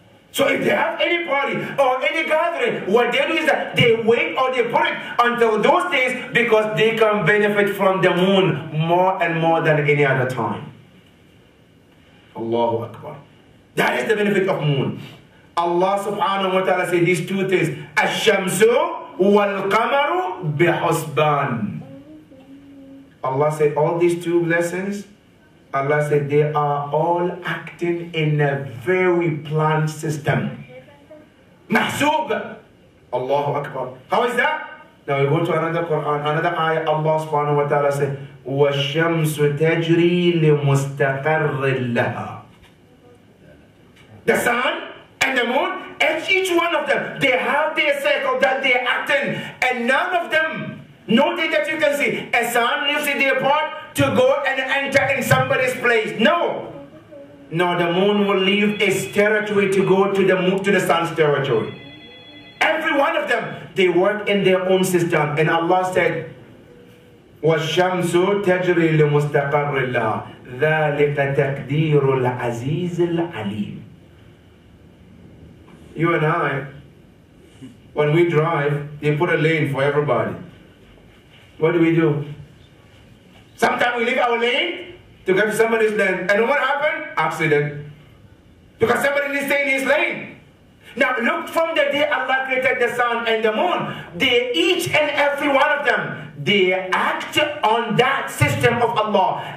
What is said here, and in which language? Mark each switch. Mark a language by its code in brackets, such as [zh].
[en] So if they have any party or any gathering, what they do is that they wait or they put it until those days because they can benefit from the moon more and more than any other time. Allahu Akbar. That is the benefit of moon. Allah subhanahu wa ta'ala said these two things. [ar] Ash-shamsu وَالْقَمَرُ بِحُسْبَانٍ. [en] Allah said all these two blessings, Allah said they are all acting in a very planned system. [ar] مَحْسُوب. [en] Allahu Akbar. How is that? Now we go to another Quran, another ayah. [ar] Allah subhanahu wa ta'ala said, وَالشَّمْسُ تَجْرِي لِمُسْتَقَرٍ لَهَا. [en] The sun and the moon, each one of them, they have their cycle that they act in, and none of them, no day that you can see, a sun lives in their part to go and enter in somebody's place. No. No, the moon will leave its territory to go to the sun's territory. Every one of them, they work in their own system. And Allah said, [ar] والشمس تجري لمستقر لها ذلك تقدير العزيز العليم. [en] You and I, when we drive, they put a lane for everybody. What do? Sometimes we leave our lane to get to somebody's lane. And what happened? Accident. Because somebody didn't stay in his lane. Now look, from the day Allah created the sun and the moon, they, each and every one of them, they act on that system of Allah.